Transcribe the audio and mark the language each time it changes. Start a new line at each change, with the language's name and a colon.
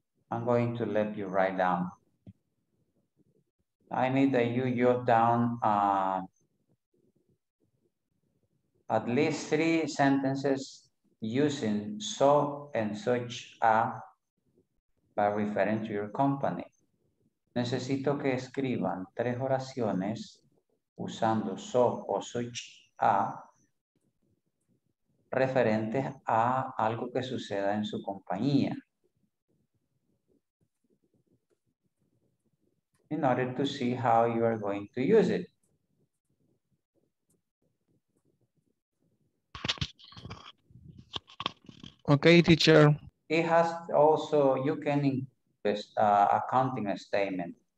English: I'm going to let you write down. I need that you jot down at least three sentences using so and such a by referring to your company.
Spanish: Necesito que escriban tres oraciones usando so o such a referentes a algo que suceda en su compañía.
English: In order to see how you are going to use it. Okay, teacher. It has also, you can this accounting statement.